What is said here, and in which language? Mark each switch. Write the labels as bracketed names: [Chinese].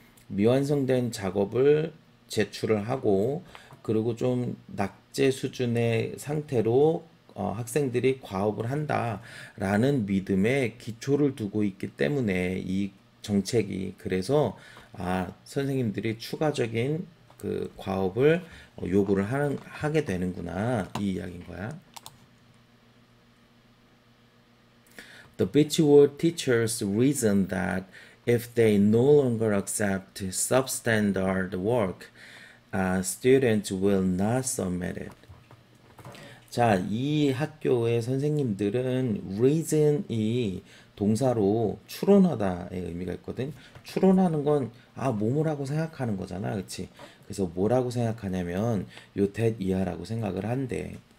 [Korean] 미완성된 작업을 제출을 하고, 그리고 좀 낙제 수준의 상태로 학생들이 과업을 한다라는 믿음의 기초를 두고 있기 때문에 이 정책이 그래서 아 선생님들이 추가적인 그 과업을 요구를 하게 되는구나 이 이야기인 거야. [English] The Beechwood teachers reason that if they no longer accept substandard work, students will not submit it. [Korean] 자, 이 학교의 선생님들은 reason이 동사로 추론하다의 의미가 있거든. 추론하는 건, 아, 뭐뭐라고 생각하는 거잖아. 그치? 그래서 뭐라고 생각하냐면, 요댓 이하라고 생각을 한대.